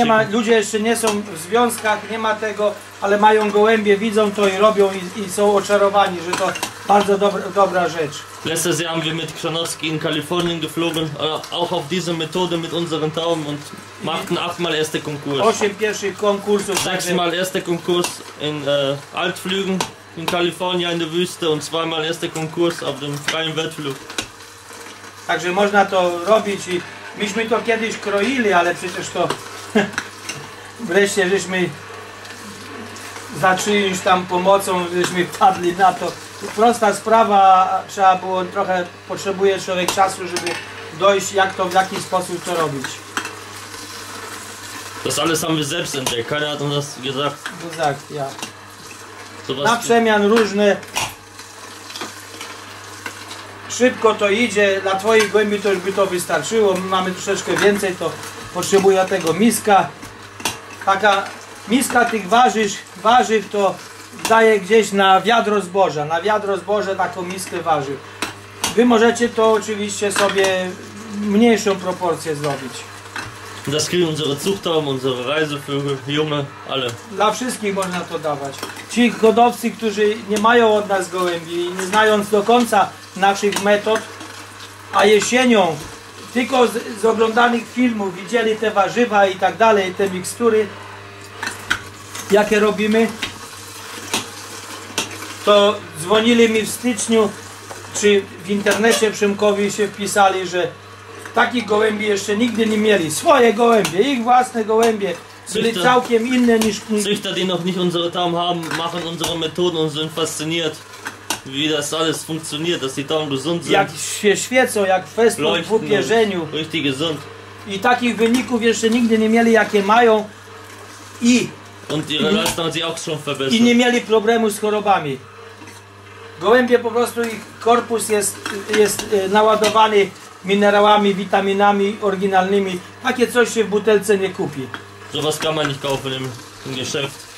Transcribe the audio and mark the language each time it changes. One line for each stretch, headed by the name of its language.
Polish: Ludzie jeszcze nie są w związkach, nie ma tego, ale mają gołębie, widzą to i robią i są oczarowani, że to bardzo dobra rzecz.
German: Letztes Jahr haben wir mit Kranowski in Kalifornien geflogen, auch auf diese Methode mit unseren Tauben und machten 8-mal erste Konkurs.
Polish: 8 pierwszych konkursów.
German: 6-mal erste Konkurs in Altflügen in Kalifornien in der Wüste und 2-mal erste Konkurs auf dem freien Wettflug.
Polish: Także można to robić i myśmy to kiedyś kroili, ale przecież to wreszcie żeśmy za czyjąś tam pomocą żeśmy wpadli na to. Prosta sprawa, trzeba było trochę, potrzebuje człowiek czasu, żeby dojść, jak to, w jaki sposób to robić.
German: Das alles haben wir selbst entdeckt. Keiner hat uns das gesagt. Gesagt, ja.
Polish: Na przemian różne. Szybko to idzie, dla twoich gołębi to już by to wystarczyło. My mamy troszeczkę więcej, to potrzebuje tego miska. Taka miska tych warzyw to daje gdzieś na wiadro zboża taką miskę warzyw. Wy możecie to oczywiście sobie mniejszą proporcję zrobić.
German: Das kriegen unsere Zuchtauben, unsere Reisevögel, junge, alle.
Polish: Dla wszystkich można to dawać. Ci hodowcy, którzy nie mają od nas gołębi, nie znając do końca naszych metod, a jesienią tylko z oglądanych filmów widzieli te warzywa i tak dalej, te mikstury, jakie robimy, to dzwonili mi w styczniu, czy w internecie Przemkowi się wpisali, że takich gołębi jeszcze nigdy nie mieli. Swoje gołębie, ich własne gołębie. Były całkiem inne niż...
German: Züchter, die noch nicht unsere Tauben haben, machen unsere Methoden und sind fasziniert, wie das alles funktioniert, dass die Tauben gesund sind.
Polish: Jak się świecą, jak festą w upierzeniu.
German: Richtig gesund.
Polish: I takich wyników jeszcze nigdy nie mieli, jakie mają. I...
German: Und ihre Leistung hat sich auch schon verbessert.
Polish: I nie mieli problemu z chorobami. Gołębie po prostu, ich korpus jest naładowany minerałami, witaminami oryginalnymi. Takie coś się w butelce nie kupi.
German: So was kann man nicht kaufen im Geschäft.